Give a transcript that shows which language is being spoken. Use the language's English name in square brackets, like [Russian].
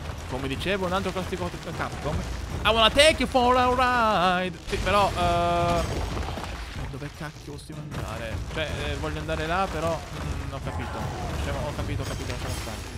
[Italian] Come dicevo, un altro classico Capcom. [English] I wanna take you for a ride. [Italian] Sì, però dove cacchio possiamo andare? Cioè, voglio andare là, però... non ho capito. Cioè, ho capito, lasciamo stare.